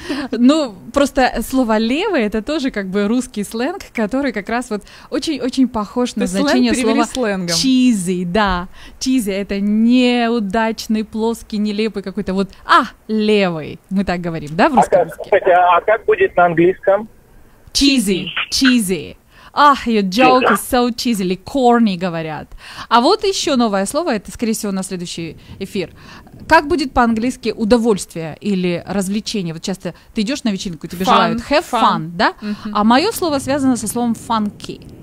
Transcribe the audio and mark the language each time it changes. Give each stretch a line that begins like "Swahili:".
Russian: Ну, просто слово «левый» — это тоже как бы русский сленг, который как раз вот очень-очень похож на значение слова «cheesy». Да, «cheesy» — это неудачный, плоский, нелепый какой-то вот «левый», мы так говорим, да, в русском языке? А как будет на английском?
English: «Cheesy», «cheesy». Ах, your joke is so cheesy, или corny, говорят.
Russian: А вот еще новое слово, это, скорее всего, на следующий эфир. Как будет по-английски удовольствие или развлечение? Вот часто ты идешь на вечеринку, тебе желают
English: have fun,
Russian: да? А мое слово связано со словом funky.